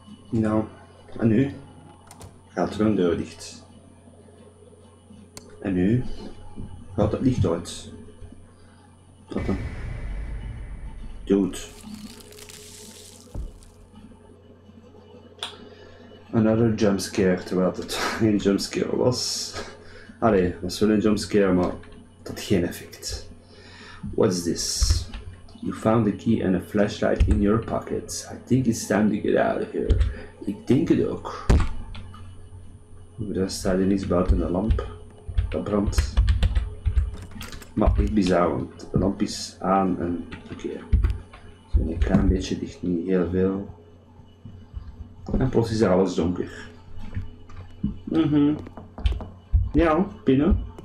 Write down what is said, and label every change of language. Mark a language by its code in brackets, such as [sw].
[nl] Nou, en nu? Gaat er een deur dicht. En nu? Gaat het licht uit. Tot dan. Dude. Another jumpscare, terwijl het geen jumpscare was. Allee, was wel een jumpscare, maar dat geen effect. [en] What's this? You found the key and a flashlight in your pocket. I think it's time to get out of here. [nl] Ik denk het ook. Daar staat er niets buiten de lamp. Dat brandt. Maar echt bizar, want de lamp is aan en oké. Zo'n klein beetje dicht, niet heel veel. En plots is er alles donker. Mm-hmm. Ja, binnen.